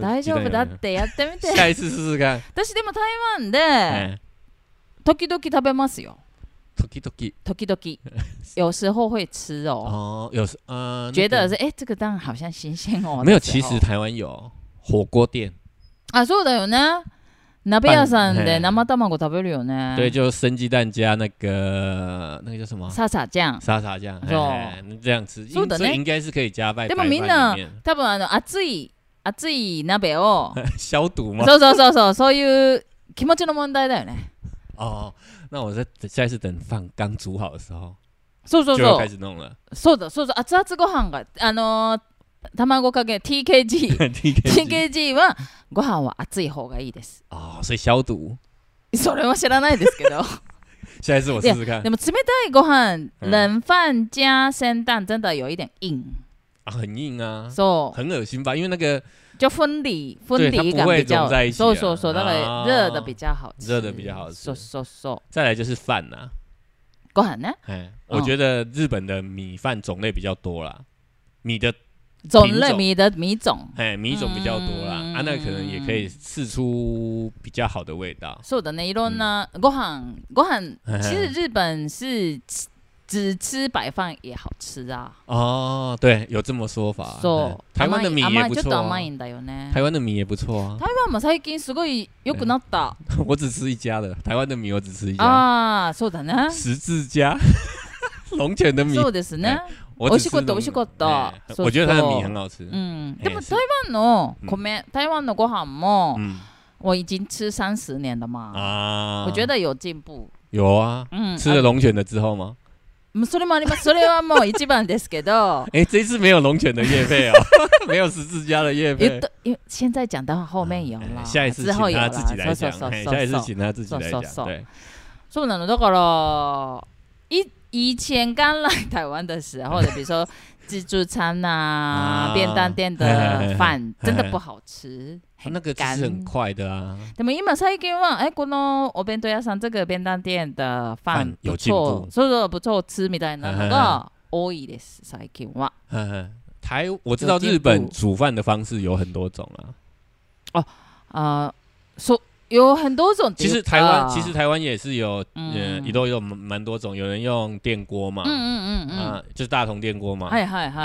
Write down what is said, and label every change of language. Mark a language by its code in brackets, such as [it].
[ja] 大丈夫だってやってみて [zh] 下一次试试看。 [ja] 私でも台湾で時々食べますよ。時々 [zh] 有时候会吃哦。哦，有时觉得是哎、欸，这个蛋好像新鲜哦。没有，其实台湾有火锅店 [ja] 啊，そうだよね。鍋屋さんで生卵食べるよね。 [zh] 对，就生鸡蛋加那个叫什么？沙茶酱。沙茶酱，对，这样吃。 [ja] そうだね。 [zh] 应该是可以加白饭里面。 [ja] でもみんな多分熱い鍋を [zh] 消毒吗？ [ja] そうそうそうそう、そういう気持ちの問題だよね。 [zh] 哦，那我再下一次等饭刚煮好的时候。 [ja] そうそうそう。 [zh] 就要開始弄了。 [ja] そうだそうそう。熱々ご飯が、卵かけ TKG TKG はご飯は熱い方がいいです。あ、それ消毒？それは知らないですけど。 [zh] 下一次我试试看。 [ja] でも冷たいご飯、 [zh] 冷飯加煎蛋真的有一点硬。啊、很硬啊。 [ja] そう。 [zh] 很恶心吧？因为那个就分离分离感比较。对，它不会融在一起、啊。そうそうそう。那个热的比较好吃。热的比较好吃。 [ja] そうそうそう。 [zh] 再来就是饭呐、啊。 [ja] ご飯ね。 [zh] 哎，我觉得日本的米饭种类比较多啦，米的种类米的米种，哎，米种比较多啦、嗯，啊，那可能也可以试出比较好的味道。 [ja] そうだね、いろんな、 [zh] 嗯、ご飯其实日本是只吃白饭也好吃啊。哦，对，有这么说法。 [ja] そう、 [zh] 台湾的米也不错、啊。 [ja] ちょっと甘いんだよね。 [zh] 台湾的米也不错啊。 [ja] 台湾も最近すごい良くなった。 [zh] 我只吃一家的，台湾的米我只吃一家。 [ja] 啊，そうだね。 [zh] 十字家，龙泉的米。 [ja] そうですね。美味しかった、美味しかった。 [zh] 我觉得它的米很好吃。 [ja] でも台湾の米、台湾のご飯も、 [zh] 我已经吃三十年了嘛。啊。我觉得有进步。有啊。吃了龙泉的之后吗？ [ja] それもあります。それはもう一番ですけど。 [zh] え、这次没有龙泉的業配哦。没有十字架的業配。现在讲到后面有了。下一次请他自己来讲。下一次请他自己来讲。 [ja] そうなの。だから、 [zh] 以前刚来台湾的时候的，比如说自助餐啊、便当店的饭，真的不好吃，很干。那个其实很快的啊。 [ja] でも今最近は、哎，このお弁当屋さん [zh] 这个便当店的饭有进步，所以说不错吃 [ja] みたいなのが多いです。最近は。 [zh] 台，我知道日本煮饭的方式有很多种啊。哦，说。有很多种，其实台湾也是有，也都有蛮多种，有人用电锅嘛，就是大同电锅嘛， [ja] 嗨嗨嗨，